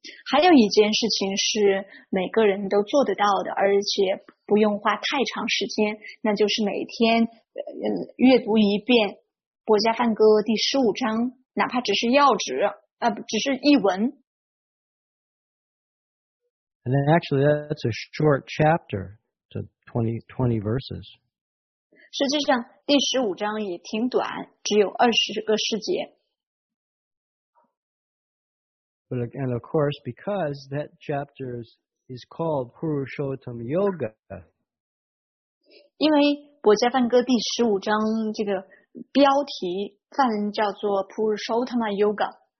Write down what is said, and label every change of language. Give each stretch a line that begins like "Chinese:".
Chinese: 还有一件事情是每个人都做得到的，而且不用花太长时间，那就是每天阅读一遍《薄伽梵歌》第十五章，哪怕只是要旨，只是译文。
English: And then actually that's a short chapter, to 20 verses.
Chinese: 实际上第十五章也挺短，只有二十个世界。
English: But and of course, because that chapter is called Purushottam Yoga.
Chinese: 因为薄伽梵歌第十五章这个标题梵文叫做 Purushottam Yoga.